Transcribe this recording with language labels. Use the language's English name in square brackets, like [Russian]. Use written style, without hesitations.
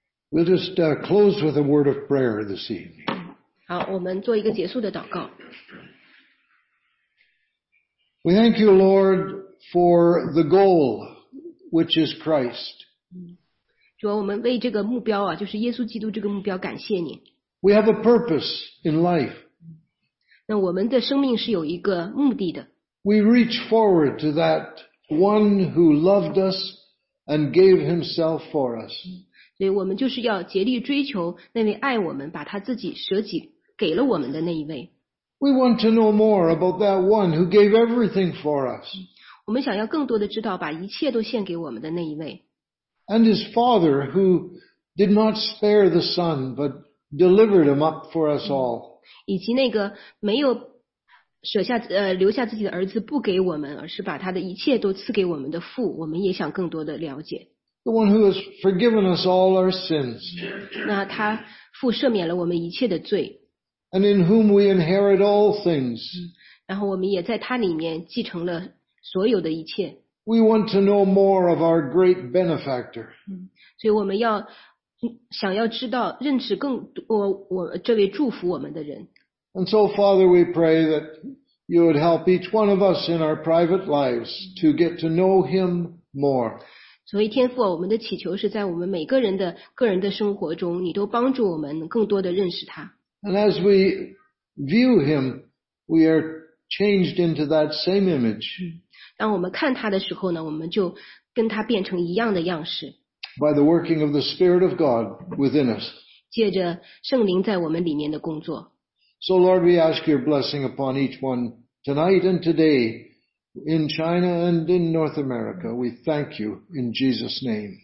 [English] We'll just close with a word of prayer this evening. [Chinese] 好，我们做一个结束的祷告。 [English] We thank you, Lord, for the goal, which is Christ. [Chinese] 主啊，我们为这个目标啊，就是耶稣基督这个目标感谢你。 [English] We have a purpose in life. [Chinese] 那我们的生命是有一个目的的。 [English] We reach forward to that one who loved us and gave himself for us. [Chinese] 所以我们就是要竭力追求那位爱我们，把他自己舍己给了我们的那一位。 [English] We want to know more about that one who gave everything for us. [Chinese] 我们想要更多的知道把一切都献给我们的那一位。 [English] And his father who did not spare the son but delivered him up for us all. [Chinese] 以及那个没有留下自己的儿子不给我们，而是把他的一切都赐给我们的父，我们也想更多的了解。 [English] The one who has forgiven us all our sins. [Chinese] 那他父赦免了我们一切的罪。 [English] And in whom we inherit all things. [Chinese] 然后我们也在他里面继承了所有的一切。 [English] We want to know more of our great benefactor. [Chinese] 所以我们要想要知道认识更多我这位祝福我们的人。 [English] And so, Father, we pray that you would help each one of us in our private lives to get to know him more. [Chinese] 所以天父，我们的祈求是在我们每个人的个人的生活中，你都帮助我们更多的认识他。 [English] And as we view him, we are changed into that same image. [Chinese] 当我们看他的时候呢，我们就跟他变成一样的样式。 [English] By the working of the Spirit of God within us. [Chinese] 借着圣灵在我们里面的工作。 [English] So Lord, we ask your blessing upon each one tonight and today in China and in North America. We thank you in Jesus' name.